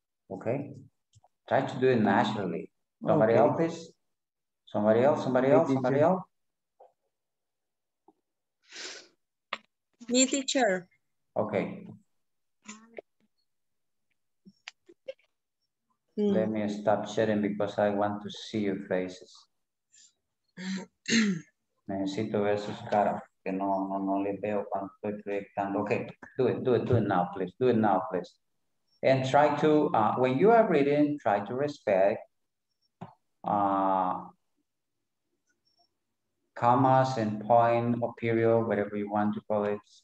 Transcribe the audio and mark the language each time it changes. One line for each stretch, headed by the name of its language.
English: Okay? Try to do it naturally. Somebody okay. Help this? Somebody else? Somebody else? Somebody else? Me, teacher. Okay. Let me stop sharing because I want to see your faces.
Spanish: Necesito ver sus caras, que no le veo cuando estoy proyectando.
English: Okay, do it now, please. And try to, when you are reading, try to respect commas and point or period, whatever you want to call it.